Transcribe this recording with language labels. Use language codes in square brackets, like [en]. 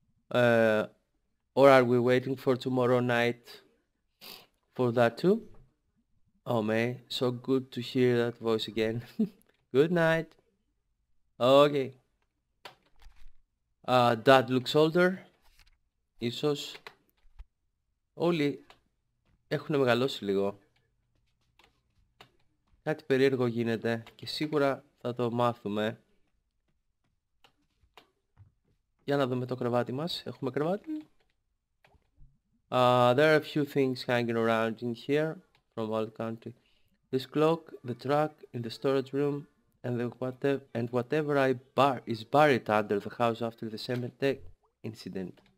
[en] Or are we waiting for tomorrow night for that too? Oh man, so good to hear that voice again. Good night. Okay. Dad looks older, ίσως. [el] Όλοι έχουν μεγαλώσει λίγο. Κάτι περίεργο γίνεται και σίγουρα θα το μάθουμε. Για να δούμε το κρεβάτι μας. Έχουμε κρεβάτι. [en] There are a few things hanging around in here from old country. This clock, the truck in the storage room, and the whatever I bar is buried under the house after the cemetery incident.